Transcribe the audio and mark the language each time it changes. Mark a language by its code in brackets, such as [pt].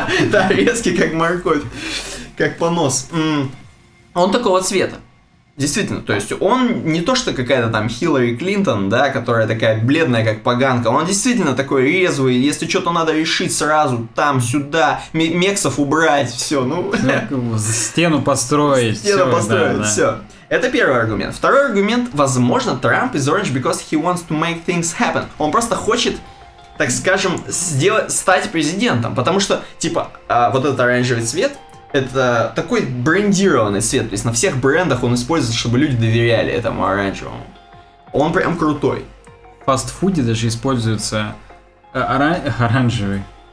[ru] Да, резкий, как морковь. Как понос. Он такого цвета. Действительно, то есть он не то, что какая-то там Хиллари Клинтон, да, которая такая бледная, как поганка. Он действительно такой резвый, если что-то надо решить сразу, там, сюда, мексов убрать, все, ну... Стену построить, все. Стену построить, все. Это первый аргумент. Второй аргумент, возможно, [en] Трамп is orange because he wants to make things happen. [ru] Он просто хочет, так скажем, стать президентом, потому что, типа, вот этот оранжевый цвет, это такой брендированный цвет, то есть на всех брендах он используется, чтобы люди доверяли этому оранжевому. Он прям крутой. В фастфуде даже используется оранжевый.